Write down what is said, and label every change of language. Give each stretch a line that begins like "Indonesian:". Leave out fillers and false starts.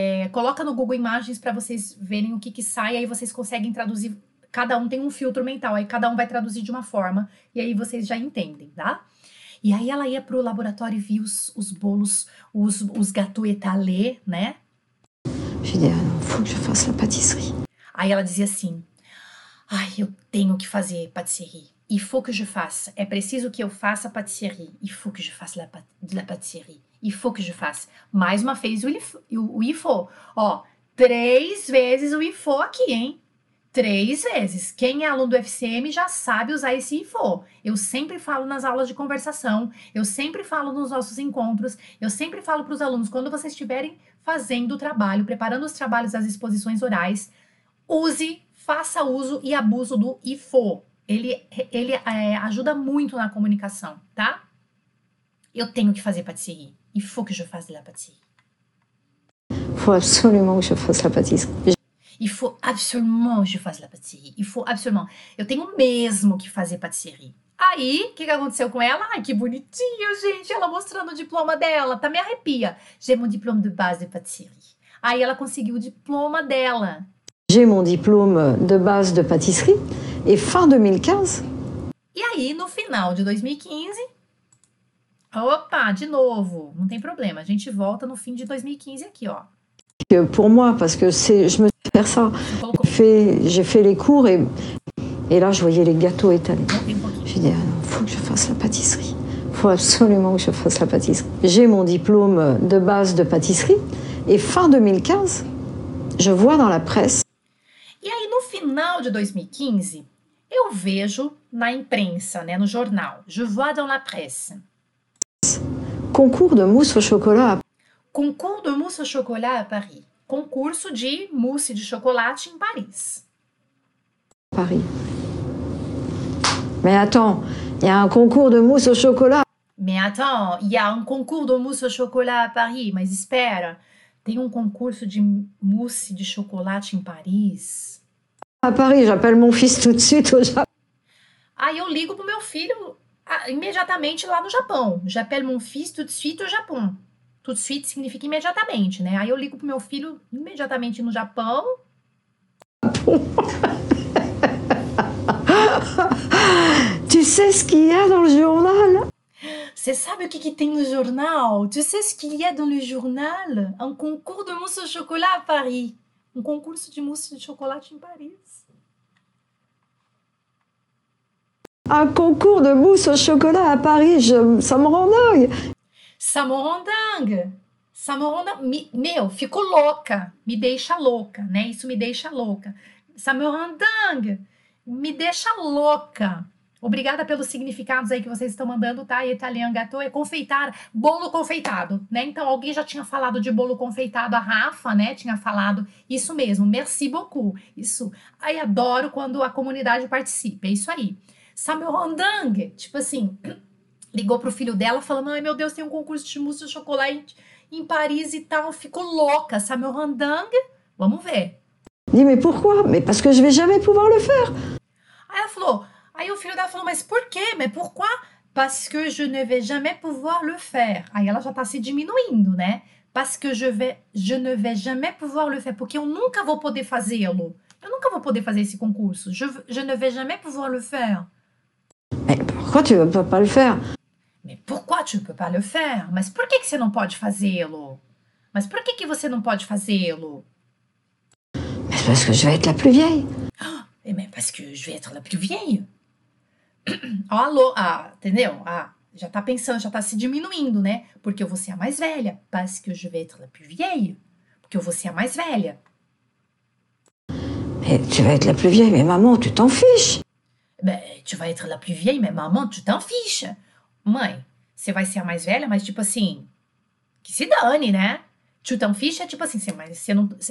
Portuguese: Coloca no Google Imagens para vocês verem o que que sai, aí vocês conseguem traduzir. Cada um tem um filtro mental, aí cada um vai traduzir de uma forma, e aí vocês já entendem, tá? E aí ela ia para o laboratório e via os bolos, os
French: gâteaux étalés,
Portuguese: né?
French: Je dis, il faut que je fasse la pâtisserie.
Portuguese: Aí ela dizia assim. Ai, eu tenho que fazer pâtisserie.
French: Il faut que je fasse.
Portuguese: É preciso que eu faça pâtisserie.
French: Il faut que je fasse la pâtisserie. Il faut que je fasse.
Portuguese: Mais uma vez o il faut. Ó, três vezes o il faut aqui, hein? Três vezes. Quem é aluno do FCM já sabe usar esse IFO. Eu sempre falo nas aulas de conversação, eu sempre falo nos nossos encontros, eu sempre falo para os alunos, quando vocês estiverem fazendo o trabalho, preparando os trabalhos das exposições orais, use, faça uso e abuso do IFO. Ele ajuda muito na comunicação, tá? Eu tenho que fazer para te seguir.
French: Il faut que je fasse la pâtisserie. Faut absolument que je fasse la pâtisserie. Il faut absolument que je fasse la pâtisserie. Il faut absolument.
Portuguese: Eu tenho mesmo que fazer pâtisserie. Aí, o que aconteceu com ela? Ai, que bonitinho, gente. Ela mostrando o diploma dela. Tá, me arrepia.
French: J'ai mon diplôme de base de pâtisserie.
Portuguese: Aí ela conseguiu o diploma dela.
French: J'ai mon diplôme de base de pâtisserie. Et fin 2015.
Portuguese: E aí, no final de 2015... Opa, de novo, não tem problema, a gente volta no fim de 2015 aqui, ó.
French: Pour moi, parce que c'est, je me suis fait ça, j'ai fait les cours et là je voyais les gâteaux étalés. J'ai dit, ah, faut que je fasse la pâtisserie, faut absolument que je fasse la pâtisserie. J'ai mon diplôme de base de pâtisserie et fin 2015, je vois dans la presse.
Portuguese: E aí no final de 2015, eu vejo na imprensa, né, no jornal,
French: je vois dans la presse. Concours de mousse au chocolat. Concours de mousse au chocolat à Paris.
Portuguese: Concurso de mousse de chocolate em Paris. Paris.
French: Mais attends, il y a un concours de mousse au chocolat. Mais attends, il y a un concours de mousse au chocolat à Paris.
Portuguese: Mas espera, tem um concurso de mousse de chocolate em Paris.
French: À Paris, j'appelle mon fils tout de suite au Japon.
Portuguese: Aí eu ligo pro meu filho. Ah, imediatamente lá no Japão.
French: J'appelle mon fils tout de suite au Japon. Tout de suite
Portuguese: significa imediatamente, né? Aí eu ligo pro meu filho imediatamente no Japão.
French: Tu sais ce qu'il y a dans le journal?
Portuguese: Você sabe o que tem no jornal?
French: Tu sais ce qu'il y a dans le journal? Un concours de mousse au chocolat à Paris.
Portuguese: Um concurso de mousse de chocolate em Paris.
French: Un concours de mousse au chocolat à Paris, ça me rend dingue. Ça me rend dingue. Ça me rend dingue.
Portuguese: Meu, fico louca. Me deixa louca, né? Isso me deixa louca.
French: Ça me rend dingue.
Portuguese: Me deixa louca. Obrigada pelos significados aí que vocês estão mandando, tá? Italian gâteau é confeitar, bolo confeitado, né? Então, alguém já tinha falado de bolo confeitado, a Rafa, né? Tinha falado isso mesmo.
French: Merci beaucoup.
Portuguese: Isso. Ai, adoro quando a comunidade participa. É isso aí. Samuel Rondang, tipo assim, ligou pro filho dela falando: ai meu Deus, tem um concurso de mousse de chocolate em Paris e tal, fico louca. Samuel Rondang, vamos ver.
French: Dis, mais pourquoi? Mais parce que je vais jamais pouvoir le faire.
Portuguese: Aí ela falou, aí o filho dela falou: mas por quê?
French: Mais pourquoi? Parce que je ne vais jamais pouvoir le faire.
Portuguese: Aí ela já tá se diminuindo, né?
French: Parce que je ne vais jamais pouvoir le faire.
Portuguese: Porque eu nunca vou poder fazê-lo. Eu nunca vou poder fazer esse concurso.
French: Je ne vais jamais pouvoir le faire. Mais pourquoi tu ne peux pas le faire? Mais pourquoi tu ne peux pas le faire?
Portuguese: Mas por que você não pode fazê-lo? Mas por que você não pode fazê-lo?
French: Mais parce que je vais être la plus vieille. Oh, mais parce que je vais être la plus vieille.
Portuguese: Alô, ah, entendeu? Ah, já tá pensando, já tá se diminuindo, né? Porque eu vou ser a mais velha.
French: Parce que je vais être la plus vieille.
Portuguese: Porque eu vou ser a mais velha.
French: Et tu vas être la plus vieille, mais maman, tu t'en fiches. Ben, tu vas être la plus vieille, mais maman, tu t'en fiches.
Portuguese: Mãe, você vai ser a mais velha, mas tipo assim, que se dane, né?
French: Tu t'en fiches
Portuguese: é tipo assim, você não...